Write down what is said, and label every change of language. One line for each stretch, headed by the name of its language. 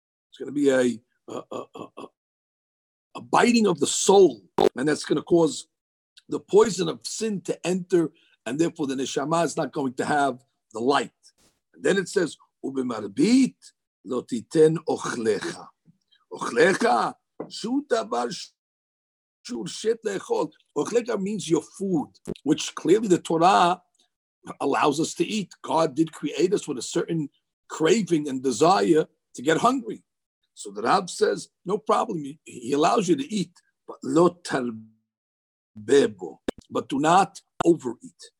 English: It's going to be a biting of the soul, and that's going to cause the poison of sin to enter, and therefore the neshama is not going to have the light. And then it says, ubimarbit
Hebrew: לא תיתן אוכלך. אוכלך, שהוא דבר שהוא רשת לאכול.
English: אוכלך means your food, which clearly the Torah allows us to eat. God did create us with a certain craving and desire to get hungry. So the Rav says, no problem, he allows you to eat, but
Hebrew: לא תרבה בו,
English: but do not overeat.